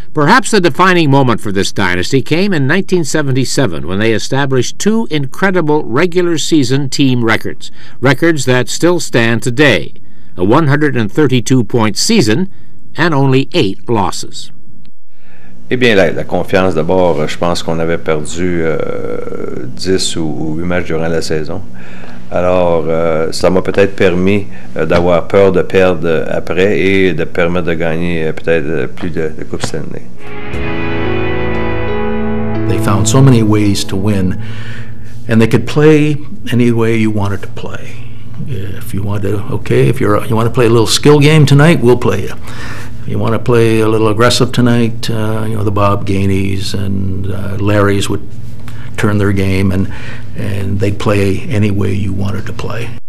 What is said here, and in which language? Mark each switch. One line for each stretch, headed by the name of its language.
English: Perhaps the defining moment for this dynasty came in 1977 when they established two incredible regular season team records, records that still stand today, a 132-point season and only 8 losses.
French: Eh bien, la confiance, d'abord, je pense qu'on avait perdu 10 ou 8 matchs durant la saison. Alors, ça m'a peut-être permis d'avoir peur de perdre après et de permettre de gagner peut-être plus de Coupe Stanley.
English: They found so many ways to win, and they could play any way you wanted to play. If you wanted, okay, if you want to play a little skill game tonight, we'll play you. You want to play a little aggressive tonight, you know, the Bob Gainey's and Larry's would turn their game and they'd play any way you wanted to play.